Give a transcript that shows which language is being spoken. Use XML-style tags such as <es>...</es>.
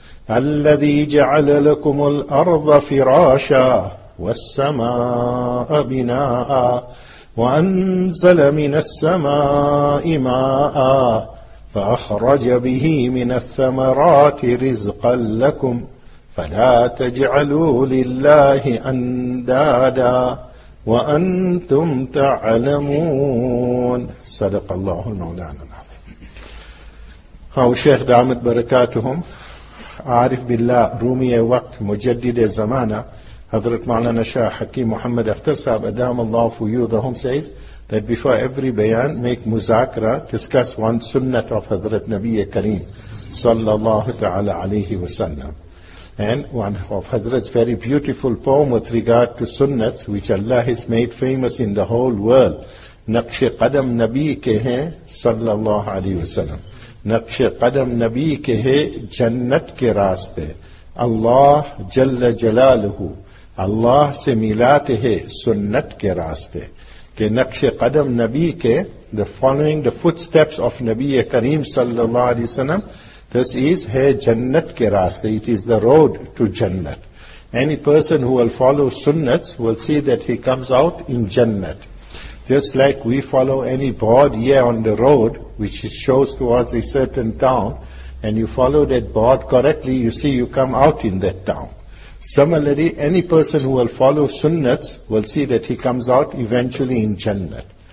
<ar>الذي جعل لكم الأرض فراشا والسماء بناء، وأنزل من السماء ماء، فأخرج به من الثمرات رزقا لكم، فلا تجعلوا لله أندادا وأنتم تعلمون. صدق الله المولانا العظيم.</ar> <en>how</en> <ur>شيخ دامت بركاتهم عارف بالله رومي وقت مجدد زمانة حضرت معلنا شاه حكيم محمد اختر صاحب ادام الله فيوضهم</ur> <en>says that before every bayan make muzakra, discuss one sunnah of</en> <ar>حضرت نبي كريم صلى الله تعالى عليه وسلم,</ar> <en>and one of حضرت's very beautiful poem with regard to sunnahs which Allah has made famous in the whole world.</en> <ur>نقش قدم نبي کے ہیں</ur> <ar>صلى الله عليه وسلم,</ar> <ur>نقش قدم نبی کے ہے جنت کے راستے. اللہ جل جلالہ اللہ سے ملاتے ہے سنت کے راستے کہ نقش قدم نبی کے</ur> <en>the following the footsteps of</en> <ur>نبی کریم</ur> <ar>صلی اللہ علیہ وسلم</ar> <en>this is</en> <ur>ہے جنت کے راستے,</ur> <en>it is the road to</en> <ur>جنت.</ur> <en>Any person who will follow sunnats will see that he comes out in جنت. Just like we follow any board here on the road, which shows towards a certain town, and you follow that board correctly, you see you come out in that town. Similarly, any person who will follow sunnats will see that he comes out eventually in Jannat.</en>